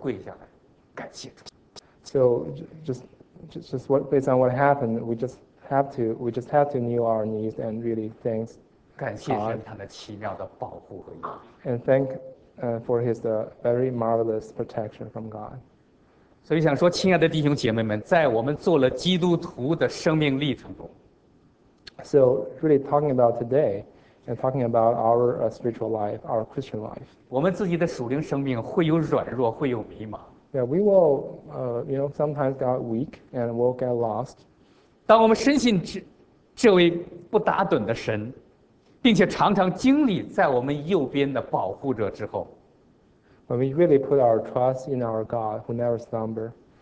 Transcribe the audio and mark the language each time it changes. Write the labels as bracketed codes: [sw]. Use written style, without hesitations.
[zh] 所以面对当时那种情况，我们俩只有跪下来感谢主。 [en] So just based on what happened, we just have to kneel our knees and really thanks. [zh] 感谢神他的奇妙的保护和应许。 [en] And thank for his very marvelous protection from God. [zh] 所以想说，亲爱的弟兄姐妹们，在我们做了基督徒的生命历程中 [en] ，So really talking about today and talking about our spiritual life, our Christian life. [zh] 我们自己的属灵生命会有软弱，会有迷茫。 [en] Yeah, we will, sometimes get weak and we'll get lost. [zh] 当我们深信这位不打盹的神。并且常常经历在我们右边的保护者之后 [en] ，When we really put our trust in our God who never slumber，